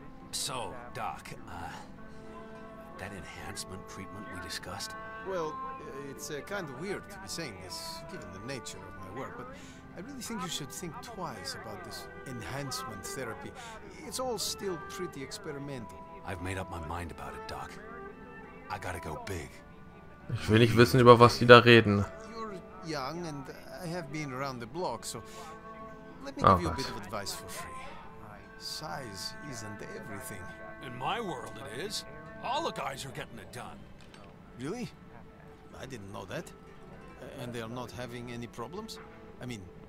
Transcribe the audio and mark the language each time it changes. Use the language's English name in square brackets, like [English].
[English] So, Doc, that enhancement treatment we discussed? Well, it's kind of weird to be saying this, given the nature of my work, but I really think you should think twice about this enhancement therapy. It's all still pretty experimental. I've made up my mind about it, Doc. I gotta go big. [German] Ich will nicht wissen, über was die da reden. [English] You're young, and I have been around the block, so let me give you a bit of advice for free. Size isn't everything. In my world it is. All the guys are getting it done. Really? I didn't know that. And they're not having any problems? I mean,